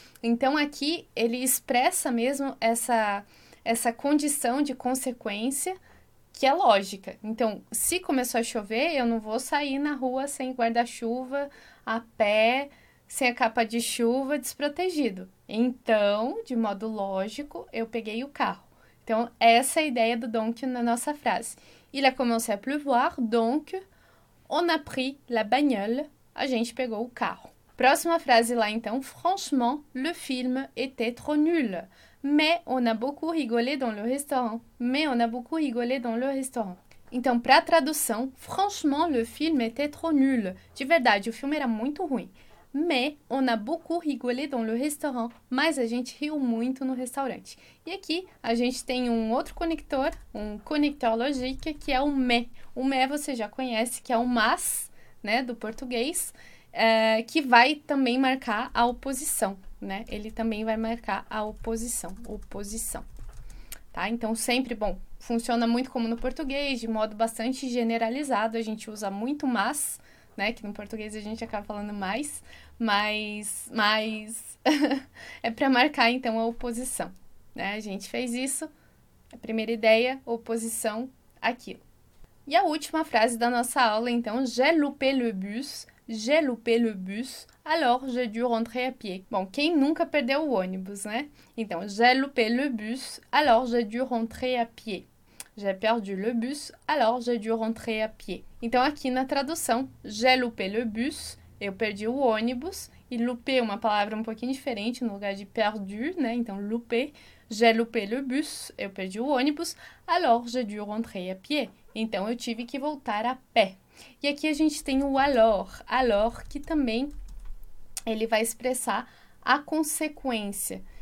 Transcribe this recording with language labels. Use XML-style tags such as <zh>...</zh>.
<pt>Então aqui ele expressa mesmo essa condição de consequência que é lógica. Então, se começou a chover, eu não vou sair na rua sem guarda-chuva, a pé, sem a capa de chuva, desprotegido. Então, de modo lógico, eu peguei o carro. Então, essa é a ideia do donc na nossa frase.</pt> <fr>Il a commencé à pleuvoir, donc on a pris la bagnole.</fr> <pt>A gente pegou o carro. Próxima frase lá, então.</pt> <fr>Franchement, le film était trop nul. Mais on a beaucoup rigolé dans le restaurant. Mais on a beaucoup rigolé dans le restaurant.</fr> <pt>Então, para a tradução,</pt> <fr>Franchement, le film était trop nul.</fr> <pt>De verdade, o filme era muito ruim.</pt> <fr>Mais on a beaucoup rigolé dans le restaurant.</fr> <pt>Mas a gente riu muito no restaurante. E aqui a gente tem um outro conector, um conector logique, que é o mais. O mais você já conhece, que é o mas, né, do português, que vai também marcar a oposição, né? Ele também vai marcar a oposição. Oposição. Tá? Então, sempre, bom, funciona muito como no português, de modo bastante generalizado, a gente usa muito mas, né? Que no português a gente acaba falando mais. Mas é para marcar então a oposição, né? A gente fez isso, a primeira ideia, oposição, aquilo. E a última frase da nossa aula, então,</pt> <fr>j'ai loupé le bus, alors j'ai dû rentrer à pied.</fr> <pt>Bom, quem nunca perdeu o ônibus, né?</pt> <fr>Então, j'ai loupé le bus, alors j'ai dû rentrer à pied. J'ai perdu le bus, alors j'ai dû rentrer à pied.</fr> <pt>Então, aqui na tradução,</pt> <fr>j'ai loupé le bus.</fr> <pt>Eu perdi o ônibus e loupé, uma palavra um pouquinho diferente no lugar de perdu, né?</pt> <fr>Então, loupé, j'ai loupé le bus,</fr> <pt>eu perdi o ônibus,</pt> <fr>alors j'ai dû rentrer à pied.</fr> <pt>Então, eu tive que voltar a pé. E aqui a gente tem o alors, alors, que também ele vai expressar a consequência.</pt>